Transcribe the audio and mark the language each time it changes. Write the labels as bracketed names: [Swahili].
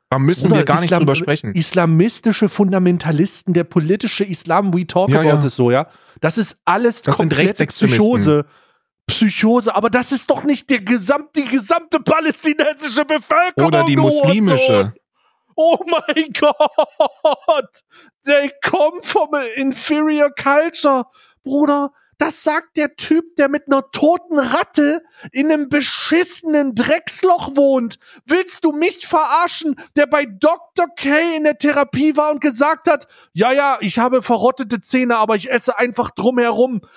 [German] Da müssen wir gar nicht drüber sprechen. Islamistische Fundamentalisten, der politische Islam, [English] we talk about it so, [German] ja? Das ist alles komplett Psychose. Psychose, aber das ist doch nicht die gesamte palästinensische Bevölkerung. Oder die muslimische. Oh mein Gott. [English] They come from an inferior culture. [German] Bruder, das sagt der Typ, der mit einer toten Ratte in einem beschissenen Drecksloch wohnt. Willst du mich verarschen, der bei Dr. K in der Therapie war und gesagt hat, ja, ich habe verrottete Zähne, aber ich esse einfach drumherum.